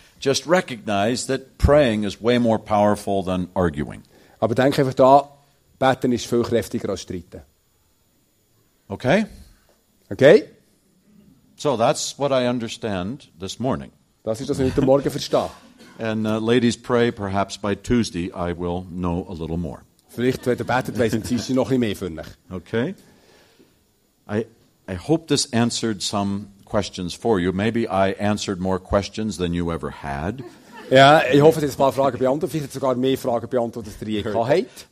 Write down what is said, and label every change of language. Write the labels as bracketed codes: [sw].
[en] Just recognize that praying is way more powerful than arguing. [de] Aber denk einfach da, beten ist viel kräftiger als streiten. Okay? Okay? [en] So that's what I understand this morning. [de] Das ist das, was ich heute Morgen verstehe. [en] And ladies pray, perhaps by Tuesday I will know a little more. [de] Vielleicht, wenn ihr betet, weiss ich, siehst du noch ein bisschen mehr von euch. Okay. [en] I hope this answered some questions for you. Maybe I answered more questions than you ever had. [de] Ja, ich hoffe, dass ein paar Fragen beantwortet. Vielleicht sogar mehr Fragen beantwortet, als ihr je gehabt habt.